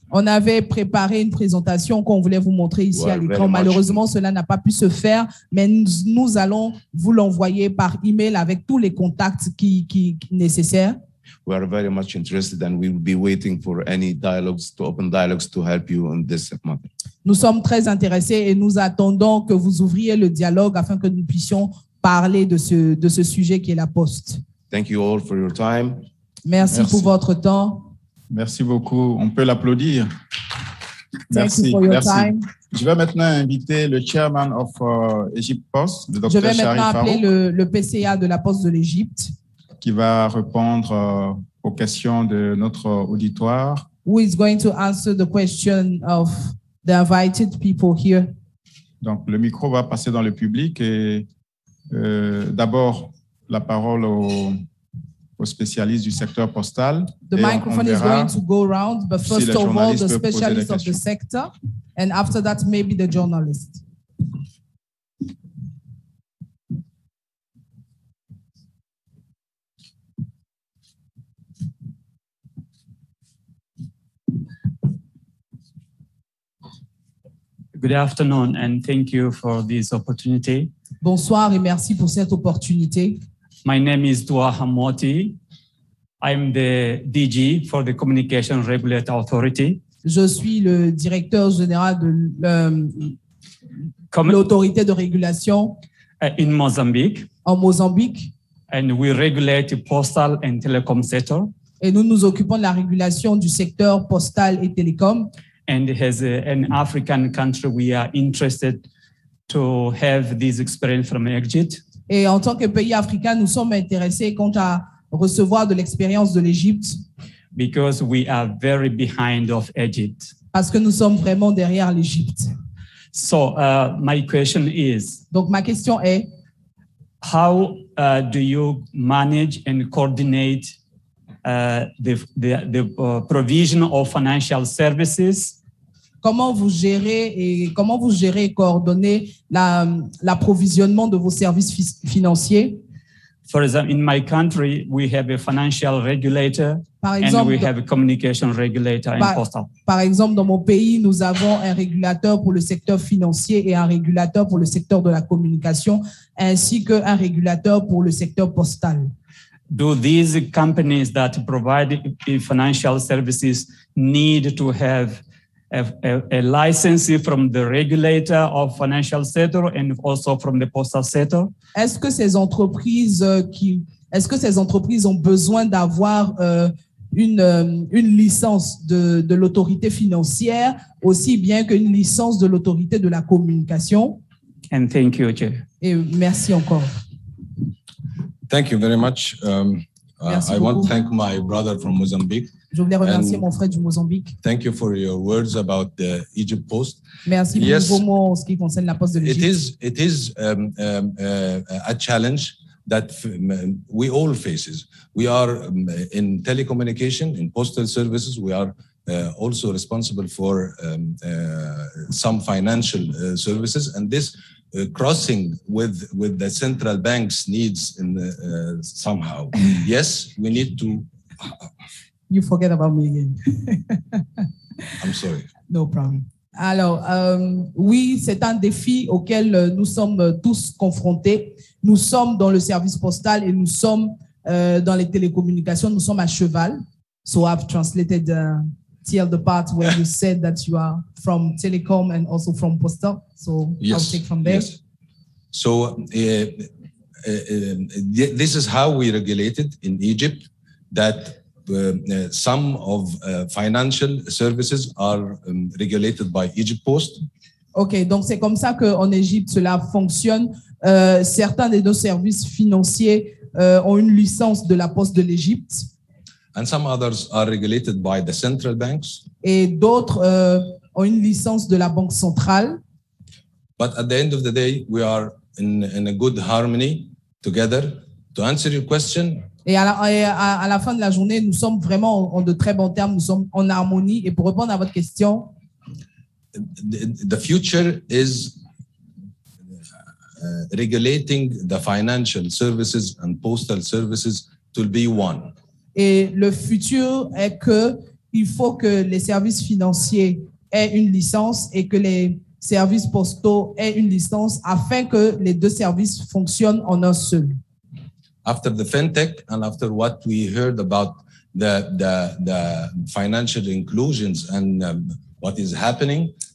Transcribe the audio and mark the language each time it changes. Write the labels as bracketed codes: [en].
[fr] On avait préparé une présentation qu'on voulait vous montrer ici à l'écran. Malheureusement, cela n'a pas pu se faire, mais nous allons vous l'envoyer par email avec tous les contacts qui nécessaires. [en] We are very much interested and we will be waiting for any dialogues to open dialogues to help you on this matter. [fr] Nous sommes très intéressés et nous attendons que vous ouvriez le dialogue afin que nous puissions parler de ce sujet qui est la poste. [en] Thank you all for your time. [fr] Merci pour votre temps. Merci beaucoup. On peut l'applaudir. Merci. [en] Thank you for your time. [fr] Je vais maintenant inviter le [en] chairman of Egypt Post, [fr] le Dr. Sharif Farouk. Je vais maintenant appeler le PCA de la Poste de l'Égypte, qui va répondre aux questions de notre auditoire. [en] Who is going to answer the question of the invited people here? [fr] Donc, le micro va passer dans le public et d'abord, la parole aux spécialistes du secteur postal. [en] The microphone is going to go around, but first of all, the specialist of the sector, and after that, maybe the journalist. Good afternoon, and thank you for this opportunity. [fr] Bonsoir et merci pour cette opportunité. [en] My name is Dua Hamouati. I'm the DG for the Communication Regulatory Authority. [fr] Je suis le directeur général de l'autorité de régulation [en] in Mozambique. [fr] En Mozambique. [en] And we regulate the postal and telecom sector. [fr] Et nous nous occupons de la régulation du secteur postal et télécom. [en] And as an African country, we are interested to have this experience from Egypt. [fr] Et en tant que pays africain, nous sommes intéressés quant à recevoir de l'expérience de l'Égypte. [en] Because we are very behind of Egypt. [fr] Parce que nous sommes vraiment derrière l'Égypte. [en] So my question is. [fr] Donc ma question est. [en] How do you manage and coordinate the provision of financial services? [fr] Comment vous gérez et coordonnez l'approvisionnement de vos services financiers? [en] For example, in my country, we have a financial regulator have a communication regulator and postal. [fr] Par exemple, dans mon pays, nous avons un régulateur pour le secteur financier et un régulateur pour le secteur de la communication, ainsi qu'un régulateur pour le secteur postal. [en] do these companies that provide financial services need to have a license from the regulator of financial sector and also from the postal sector? [fr] Est-ce que ces entreprises qui est-ce que ces entreprises ont besoin d'avoir une licence de l'autorité financière aussi bien qu'une licence de l'autorité de la communication? [en] And thank you, Chair. [fr] Et merci encore. [en] Thank you very much. I want to thank my brother from Mozambique. [fr] Je voulais remercier mon frère du Mozambique. [en] Thank you for your words about the Egypt Post. [fr] Merci pour vos mots en ce qui concerne la poste de l'Égypte. [en] It is a challenge that we all faces. We are in telecommunication, in postal services. We are also responsible for some financial services, and this crossing with the central bank's needs in somehow. Yes, we need to. You forget about me again. I'm sorry. No problem. [fr] Alors, oui, c'est un défi auquel nous sommes tous confrontés. Nous sommes dans le service postal et nous sommes dans les télécommunications. Nous sommes à cheval. [en] So I've translated the part where you said that you are from telecom and also from postal. So yes, I'll take from there. Yes. So this is how we regulated in Egypt that some of financial services are regulated by Egypt Post. [fr] OK, donc c'est comme ça qu'en Égypte, cela fonctionne. Certains des nos services financiers ont une licence de la Poste de l'Égypte. [en] And some others are regulated by the central banks. [fr] Et d'autres ont une licence de la Banque centrale. [en] But at the end of the day, we are in a good harmony together to answer your question. [fr] Et à la fin de la journée, nous sommes vraiment en de très bons termes, nous sommes en harmonie. Et pour répondre à votre question, [en] the future is regulating the financial services and postal services to be one. [fr] Et le futur est que il faut que les services financiers aient une licence et que les services postaux aient une licence afin que les deux services fonctionnent en un seul. [en] After the fintech and after what we heard about the financial inclusions and what is happening.